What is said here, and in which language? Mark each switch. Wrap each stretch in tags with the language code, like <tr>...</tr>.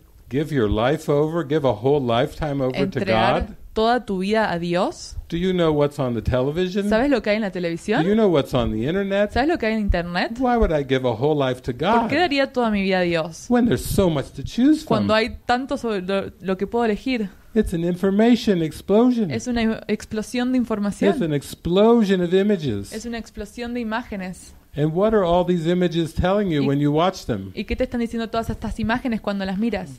<en>Give your life over, give a whole lifetime over</en> <es>entregar</es> <en>to God.</en> <es>Toda tu vida a Dios.</es> <en>Do you know what's on the television?</en> <es>¿Sabes lo que hay en la televisión?</es> <en>Do you know what's on the internet?</en> <es>¿Sabes lo que hay en internet?</es> <en>Why would I give a whole life to God?</en> <es>¿Por qué daría toda mi vida a Dios?</es> <en>When there's so much to choose from.</en> <es>Cuando hay tanto sobre lo que puedo elegir.</es> <en>It's an information explosion.</en> <es>Es una explosión de información.</es> <en>It's an explosion of images.</en> <es>Es una explosión de imágenes.</es> <en>And what are all these images telling you when you watch them?</en> <es>¿Y qué te están diciendo todas estas imágenes cuando las miras?</es>